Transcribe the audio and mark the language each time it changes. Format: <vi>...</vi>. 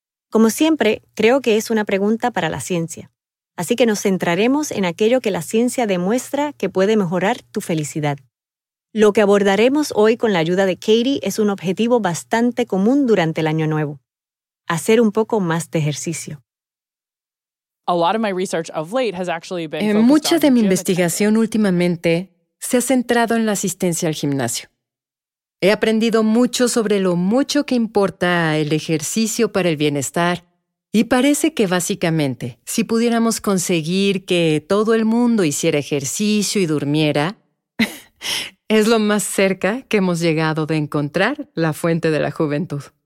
<es>Como siempre, creo que es una pregunta para la ciencia, así que nos centraremos en aquello que la ciencia demuestra que puede mejorar tu felicidad. Lo que abordaremos hoy con la ayuda de Katie es un objetivo bastante común durante el año nuevo: hacer un poco más de ejercicio.</es> <en>A lot of my research of late has actually been focused on gym attendance.</en> <es>Mucha de mi investigación últimamente se ha centrado en la asistencia al gimnasio. He aprendido mucho sobre lo mucho que importa el ejercicio para el bienestar y parece que básicamente, si pudiéramos conseguir que todo el mundo hiciera ejercicio y durmiera, es lo más cerca que hemos llegado de encontrar la fuente de la juventud.</es>